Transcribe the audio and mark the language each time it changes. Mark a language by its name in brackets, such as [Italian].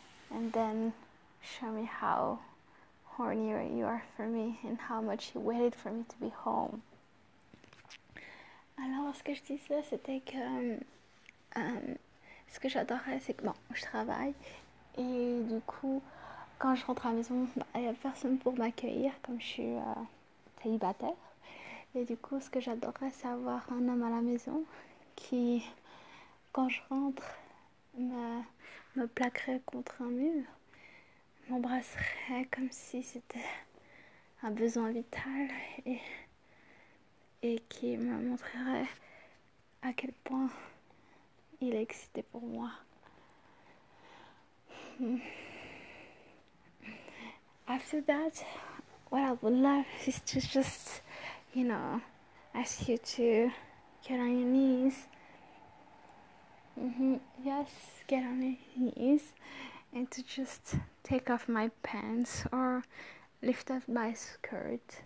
[English] then show me how horny you are for me and how much you waited for me to be home. [French] Alors, ce que je disais, c'était que ce que j'adorais, c'est que bon, je travaille et du coup, quand je rentre à la maison, il n'y a personne pour m'accueillir comme je suis célibataire. Et du coup, ce que j'adorais, c'est avoir un homme à la maison qui, quand je rentre, me plaquerait contre un mur, m'embrasserait comme si c'était un besoin vital et qui me montrerait à quel point il est excité pour moi. [English] After that, what I would love is to just, you know, ask you to get on your knees. Yes, get on your knees. And to just take off my pants or lift up my skirt.